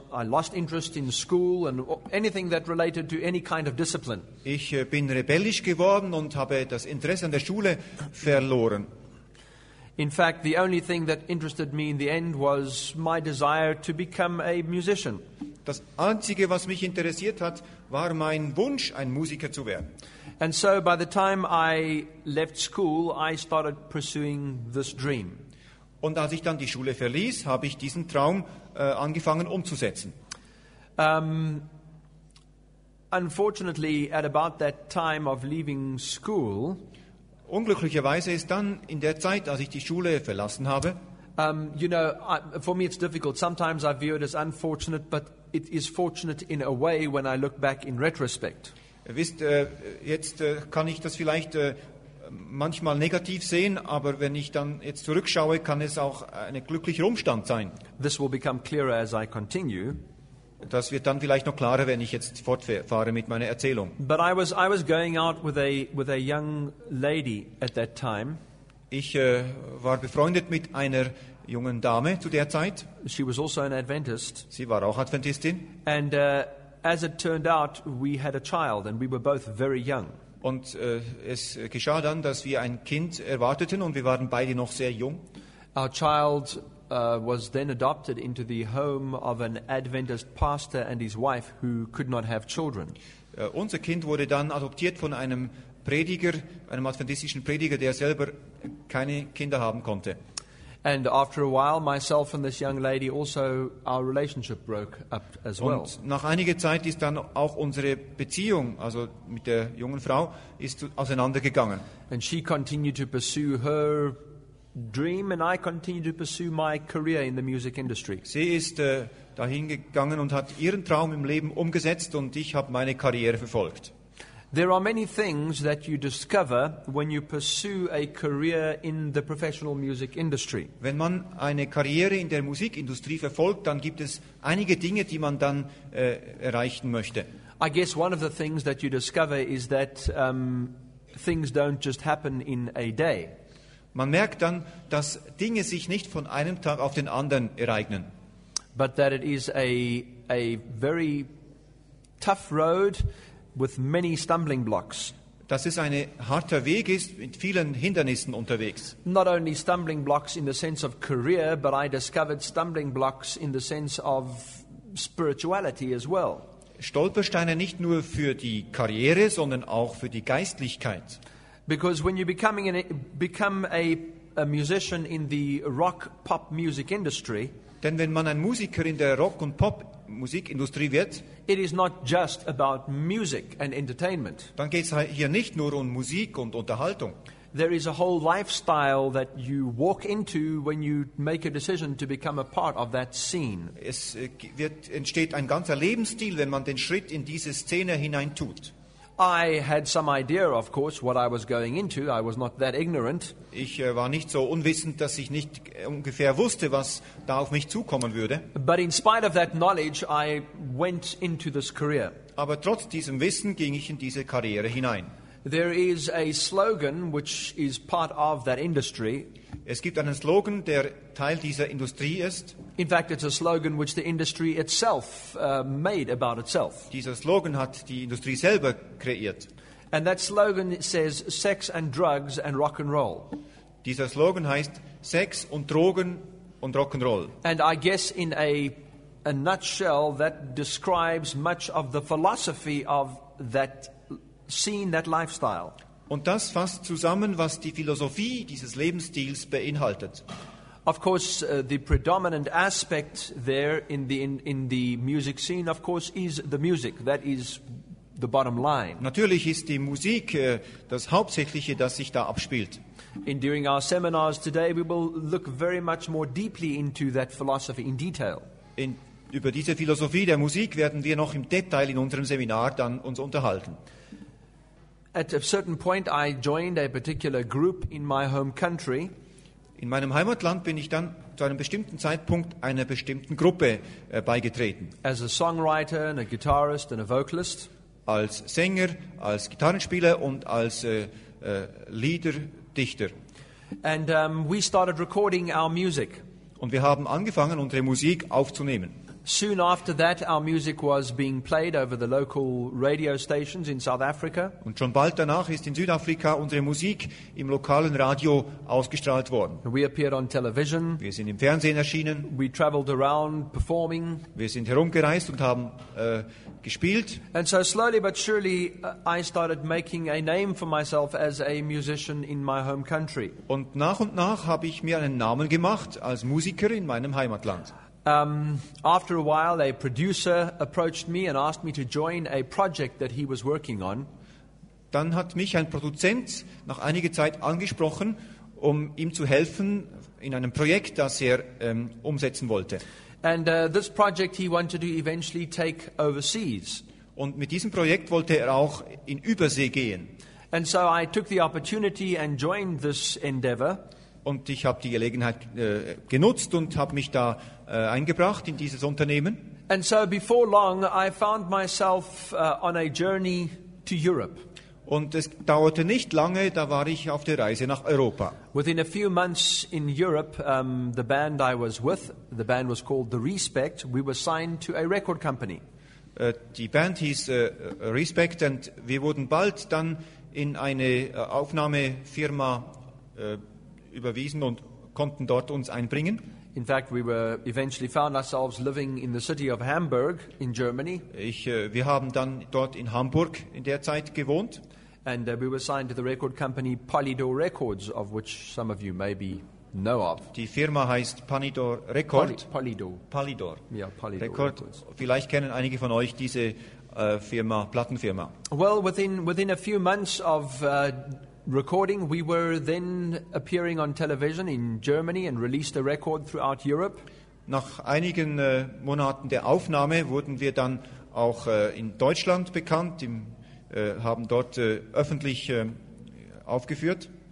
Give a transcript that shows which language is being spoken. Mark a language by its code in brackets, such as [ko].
[en] I lost interest in school and anything that related to any kind of discipline. [de] Ich bin rebellisch geworden und habe das Interesse an der Schule verloren. [en] In fact, the only thing that interested me in the end was my desire to become a musician. [de] Das Einzige, was mich interessiert hat, war mein Wunsch, ein Musiker zu werden. [en] And so by the time I left school, I started pursuing this dream. [de] Und als ich dann die Schule verließ, habe ich diesen Traum angefangen umzusetzen. [en] Unfortunately, at about that time of leaving school, [de] unglücklicherweise ist dann in der Zeit, als ich die Schule verlassen habe, [en] you know, for me it's difficult. Sometimes I view it as unfortunate, but it is fortunate in a way when I look back in retrospect. [de] Wisst, jetzt kann ich das vielleicht manchmal negativ sehen, aber wenn ich dann jetzt zurückschaue, kann es auch ein glücklicher Umstand sein. [en] This will become clearer as I continue. [de] Das wird dann vielleicht noch klarer, wenn ich jetzt fortfahre mit meiner Erzählung. [en] But I was going out with a young lady at that time. [de] Ich war befreundet mit einer jungen Dame zu der Zeit. [en] She was also an Adventist. [de] Sie war auch Adventistin. [en] And as it turned out, we had a child and we were both very young. [de] Und es geschah dann, dass wir ein Kind erwarteten und wir waren beide noch sehr jung. [en] Our child was then adopted into the home of an Adventist pastor and his wife who could not have children. [de] Unser Kind wurde dann adoptiert von einem Prediger, einem adventistischen Prediger, der selber keine Kinder haben konnte. [en] And after a while, myself and this young lady also our relationship broke up as well. [de] Und nach einiger Zeit ist dann auch unsere Beziehung, also mit der jungen Frau, ist auseinandergegangen. [en] And she continued to pursue her dream, and I continued to pursue my career in the music industry. [de] Sie ist dahin gegangen und hat ihren Traum im Leben umgesetzt, und ich habe meine Karriere verfolgt. [en] There are many things that you discover when you pursue a career in the professional music industry. [de] Wenn man eine Karriere in der Musikindustrie verfolgt, dann gibt es einige Dinge, die man dann erreichen möchte. [en] I guess one of the things that you discover is that things don't just happen in a day. [de] Man merkt dann, dass Dinge sich nicht von einem Tag auf den anderen ereignen. [en] But that it is a very tough road with many stumbling blocks. [de] Dass es ein harter Weg ist, mit vielen Hindernissen unterwegs. [en] Not only stumbling blocks in the sense of career, but I discovered stumbling blocks in the sense of spirituality as well. [de] Stolpersteine nicht nur für die Karriere, sondern auch für die Geistlichkeit. [en] Because when you become a musician in the rock pop music industry, [de] denn wenn man ein Musiker in der Rock und Pop Musikindustrie wird, [en] it is not just about music and entertainment. [de] Dann geht's hier nicht nur um Musik und Unterhaltung. [en] There is a whole lifestyle that you walk into when you make a decision to become a part of that scene. [de] Es entsteht ein ganzer Lebensstil, wenn man den Schritt in diese Szene hineintut. [en] I had some idea, of course, what I was going into. I was not that ignorant. [de] Ich war nicht so unwissend, dass ich nicht ungefähr wusste, was da auf mich zukommen würde. [en] But in spite of that knowledge, I went into this career. [de] Aber trotz diesem Wissen ging ich in diese Karriere hinein. [en] There is a slogan which is part of that industry. [de] Es gibt einen Slogan, der Teil dieser Industrie ist. [en] In fact, it's a slogan which the industry itself made about itself. [de] Dieser Slogan hat die Industrie selber kreiert. [en] And that slogan says sex and drugs and rock and roll. [de] Dieser Slogan heißt Sex und Drogen und Rock and Roll. [en] And I guess in a nutshell that describes much of the philosophy of that scene, that lifestyle. [de] Und das fasst zusammen, was die Philosophie dieses Lebensstils beinhaltet. [en] Of course, the predominant aspect there in the music scene, of course, is the music. That is the bottom line. [de] Natürlich ist die Musik das Hauptsächliche, das sich da abspielt. [en] In during our seminars today, we will look very much more deeply into that philosophy in detail. [de] Über diese Philosophie der Musik werden wir noch im Detail in unserem Seminar dann uns unterhalten. [en] At a certain point, I joined a particular group in my home country. [de] In meinem Heimatland bin ich dann zu einem bestimmten Zeitpunkt einer bestimmten Gruppe beigetreten. [en] As a songwriter and a guitarist and a vocalist. [de] Als Sänger, als Gitarrenspieler und als Liederdichter. [en] And we started recording our music. [de] Und wir haben angefangen, unsere Musik aufzunehmen. [en] Soon after that, our music was being played over the local radio stations in South Africa. [de] Und schon bald danach ist in Südafrika unsere Musik im lokalen Radio ausgestrahlt worden. [en] We appeared on television. [de] Wir sind im Fernsehen erschienen. [en] We traveled around performing. [de] Wir sind herumgereist und haben gespielt. [en] And so slowly but surely, I started making a name for myself as a musician in my home country. [de] Und nach habe ich mir einen Namen gemacht als Musiker in meinem Heimatland. [en] After a while, a producer approached me and asked me to join a project that he was working on. [de] Dann hat mich ein Produzent nach einiger Zeit angesprochen, um ihm zu helfen in einem Projekt, das er umsetzen wollte. [en] And this project he wanted to eventually take overseas. [de] Und mit diesem Projekt wollte er auch in Übersee gehen. [en] And so I took the opportunity and joined this endeavor. [de] Und ich habe die Gelegenheit genutzt und habe mich da eingebracht in dieses Unternehmen. [en] And so before long I found myself on a journey to Europe. [de] Und es dauerte nicht lange, da war ich auf der Reise nach Europa. [en] Within a few months in Europe, the band I was with, the band was called The Respect, we were signed to a record company. [de] Die Band hieß Respect und wir wurden bald dann in eine Aufnahmefirma überwiesen und konnten dort uns einbringen. [en] In fact, we were eventually found ourselves living in the city of Hamburg in Germany. [de] Wir haben dann dort in Hamburg in der Zeit gewohnt. [en] And we were signed to the record company Polydor Records, of which some of you maybe know of. [de] Die Firma heißt Polydor Record. Polydor. Ja, Polydor Records. Vielleicht kennen einige von euch diese Firma, Plattenfirma. [en] Well, within a few months of recording, we were then appearing on television in Germany and released a record throughout Europe. [de] Nach einigen Monaten der Aufnahme wurden wir dann auch in Deutschland bekannt, haben dort öffentlich aufgeführt.